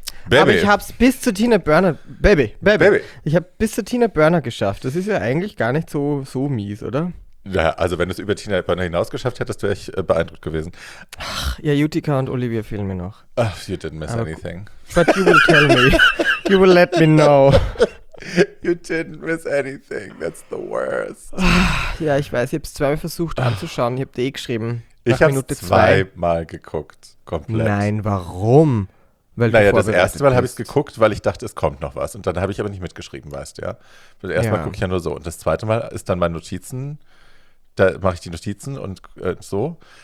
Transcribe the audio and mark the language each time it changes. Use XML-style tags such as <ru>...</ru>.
<de>Aber ich hab's bis zu Tina Burner. Baby. Ich hab bis zu Tina Burner geschafft. Das ist ja eigentlich gar nicht so mies, oder? Ja, also wenn du es über Tina Burner hinaus geschafft hättest, wäre ich beeindruckt gewesen. Ach, ja, Utica und Olivia fehlen mir noch.</de> <en>Oh, you didn't miss anything. But you will tell me. You will let me know. You didn't miss anything. That's the worst.</en> <de>Ja, ich weiß, ich habe es zweimal versucht anzuschauen. Ich habe dir eh geschrieben. Ich habe es zweimal geguckt, komplett. Nein, warum? Weil naja, das erste Mal habe ich es geguckt, weil ich dachte, es kommt noch was. Und dann habe ich aber nicht mitgeschrieben, weißt du, ja. Weil erstmal gucke ich ja nur so. Und das zweite Mal ist dann meine Notizen. Da mache ich die Notizen und so.</de>